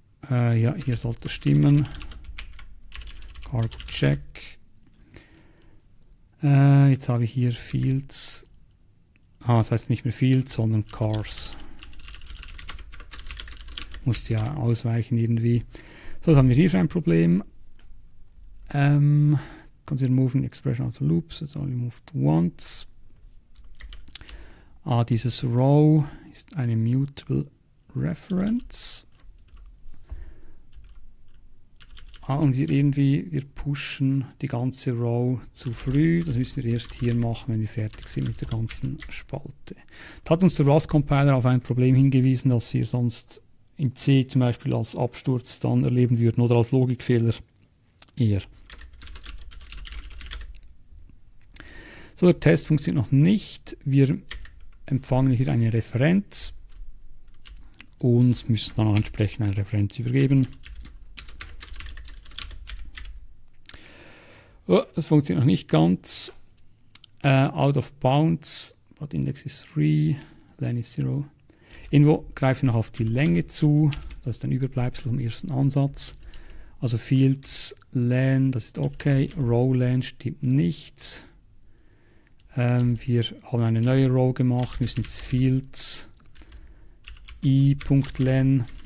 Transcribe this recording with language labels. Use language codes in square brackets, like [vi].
[de] Ja, hier sollte es stimmen. Cargo Check. Jetzt habe ich hier Fields. Ah, das heißt nicht mehr Fields, sondern Cars. Muss ja ausweichen irgendwie. So, jetzt haben wir hier schon ein Problem. [en] Consider moving expression out of loops. It's only moved once. [de] Ah, dieses Row ist eine mutable Reference. Ah, und wir pushen die ganze Row zu früh. Das müssen wir erst hier machen, wenn wir fertig sind mit der ganzen Spalte. Da hat uns der Rust-Compiler auf ein Problem hingewiesen, das wir sonst in C zum Beispiel als Absturz dann erleben würden oder als Logikfehler eher. So, der Test funktioniert noch nicht. Wir empfangen hier eine Referenz und müssen dann entsprechend eine Referenz übergeben. Oh, das funktioniert noch nicht ganz. [en] Out of bounds, but index is 3, len is 0. [de] Irgendwo greife ich noch auf die Länge zu, das ist ein Überbleibsel vom ersten Ansatz. Also fields len, das ist okay, row len stimmt nicht. Wir haben eine neue Row gemacht, müssen jetzt Fields i.len.